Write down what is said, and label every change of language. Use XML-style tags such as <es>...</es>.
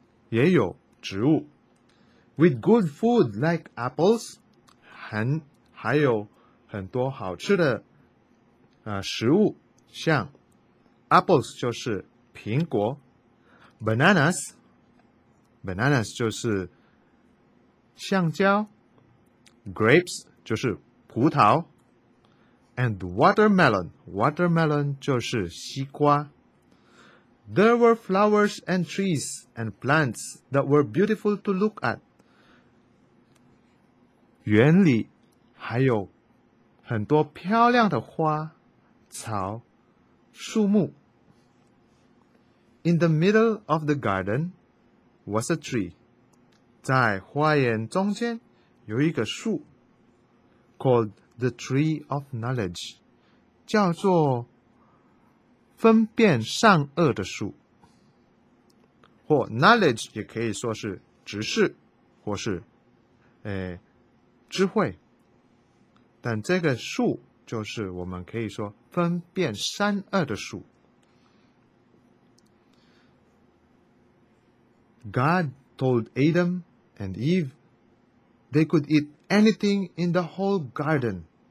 <zh>也有植物 ,</zh> <en>with good food like apples,</en> <zh>还有很多好吃的食物像 apples 就是苹果 ,bananas 就是橡胶 ,grapes 就是葡萄 ,</zh> <en>and watermelon</en> <zh>就是西瓜。</zh> <en>There were flowers and trees and plants that were beautiful to look at.</en> <zh>园里还有很多漂亮的花、草、树木。</zh> <en>In the middle of the garden was a tree.</en> <zh>在花园中间有一个树</zh> <en>called the Tree of Knowledge,</en> <zh>叫做分辨善恶的树，或 knowledge 也可以说是知识，或是智慧。但这个树就是我们可以说分辨善恶的树。</zh> <en>God told Adam and Eve they could eat anything in the whole garden.</en>